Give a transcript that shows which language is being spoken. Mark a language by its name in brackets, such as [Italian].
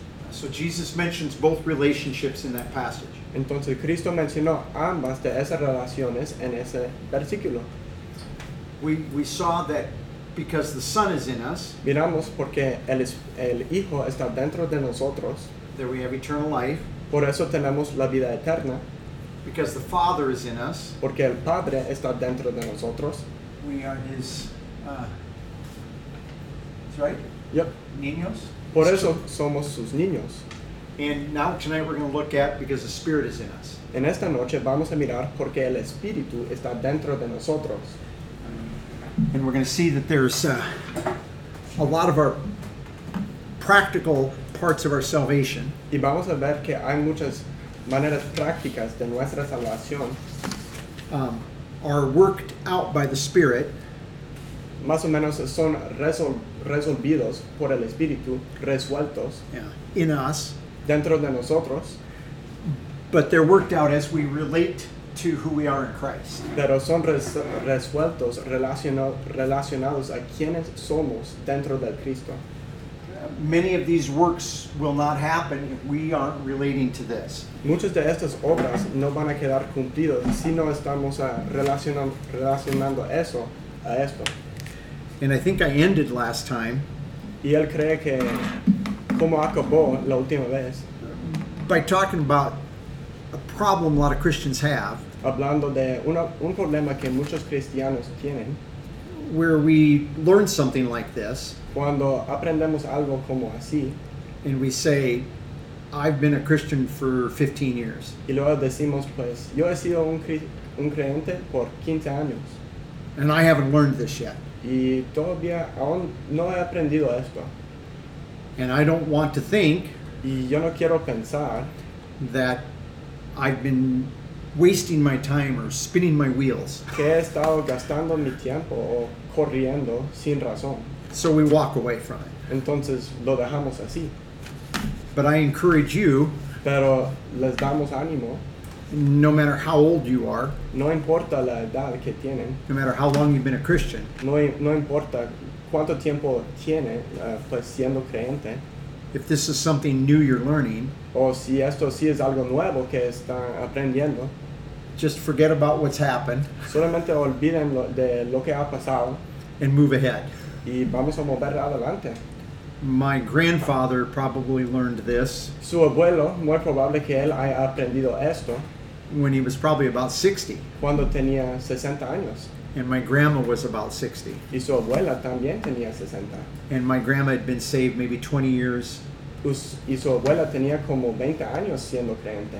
[English] So Jesus mentions both relationships in that passage. [Spanish] Entonces Cristo mencionó ambas de esas relaciones en ese versículo. [English] We saw that because the Son is in us. [Spanish] Miramos porque el Hijo está dentro de nosotros. [English] That we have eternal life. [Spanish] Por eso tenemos la vida eterna. [English] Because the Father is in us. [Spanish] Porque el Padre está dentro de nosotros. [English] We are His. That's right. Yep. [Spanish] Niños. Por eso somos sus niños. [English] And now tonight we're going to look at because the Spirit is in us. [Spanish] En esta noche vamos a mirar porque el Espíritu está dentro de nosotros. [English] And we're going to see that there's a lot of our practical parts of our salvation. [Spanish] Y vamos a ver que hay muchas maneras prácticas de nuestra salvación. [English] Are worked out by the Spirit. [Spanish] Más o menos son resolvidos por el Espíritu, resueltos. [English] Yeah. In us. [Spanish] Dentro de nosotros. [English] But they're worked out as we relate to who we are in Christ. [Spanish] Pero son resueltos, relacionados a quienes somos dentro del Cristo. [English] Many of these works will not happen if we aren't relating to this. [Spanish] Muchas de estas obras no van a quedar cumplidas si no estamos relacionando eso a esto. [English] And I think I ended last time. [Spanish] Y él cree que como acabó la última vez. [English] By talking about a problem a lot of Christians have. [Spanish] Hablando de un problema que muchos cristianos tienen. [English] Where we learn something like this, [Spanish] cuando aprendemos algo como así, [English] and we say, I've been a Christian for 15 years. [Spanish] Y luego decimos, pues, yo he sido un creyente por 15 años. [English] And I haven't learned this yet. [Spanish] Y todavía aún no he aprendido esto. [English] And I don't want to think, [Spanish] y yo no quiero pensar, [English] that I've been wasting my time or spinning my wheels. [Spanish] Que he estado gastando mi tiempo o corriendo sin razón. [English] So we walk away from it. [Spanish] Entonces lo dejamos así. [English] But I encourage you. [Spanish] Pero les damos ánimo. [English] no matter how old you are. [Spanish] No importa la edad que tienen. [English] No matter how long you've been a Christian. [Spanish] No importa cuánto tiempo tiene pues siendo creyente. [English] If this is something new you're learning. [Spanish] O si esto sí es algo nuevo que están aprendiendo. [English] Just forget about what's happened. [Spanish] Solamente olviden de lo que ha pasado. [English] And move ahead. [Spanish] Y vamos a mover adelante. [English] My grandfather probably learned this. [Spanish] Su abuelo, muy probable que él haya aprendido esto. [English] When he was probably about 60. [Spanish] Cuando tenía 60 años. [English] And my grandma was about 60. [Spanish] Y su abuela también tenía 60. [English] And my grandma had been saved maybe 20 years. [Spanish] Y su abuela tenía como 20 años siendo creyente.